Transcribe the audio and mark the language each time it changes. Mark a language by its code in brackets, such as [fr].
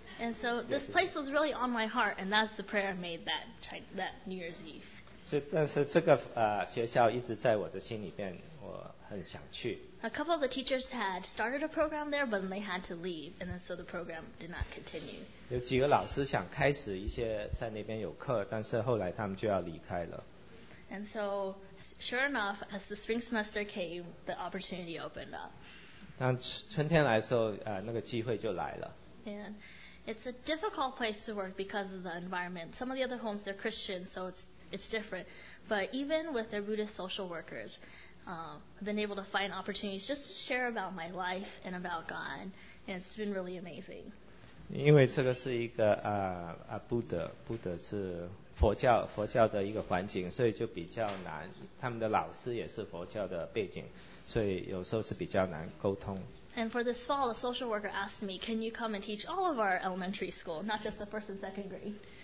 [en] And so this place was really on my heart, and that's the prayer I made that New Year's Eve. [zh] 但是这个学校一直在我的心里边，我很想去。 [en] A couple of the teachers had started a program there, but they had to leave, and then so the program did not continue. [zh] 有几个老师想开始一些在那边有课，但是后来他们就要离开了。 [en] And so, sure enough, as the spring semester came, the opportunity opened up. [zh] 当春天来的时候，那个机会就来了。 [en] And it's a difficult place to work because of the environment. Some of the other homes, they're Christian, so it's different, but even with their Buddhist social workers, I've been able to find opportunities just to share about my life and about God, and it's been really amazing. [zh] 因为这个是一个Buddha 是佛教的一个环境，所以就比较难。他们的老师也是佛教的背景，所以有时候是比较难沟通。 [en] And for this fall, a social worker asked me, "Can you come and teach all of our elementary school, not just the first and second grade?"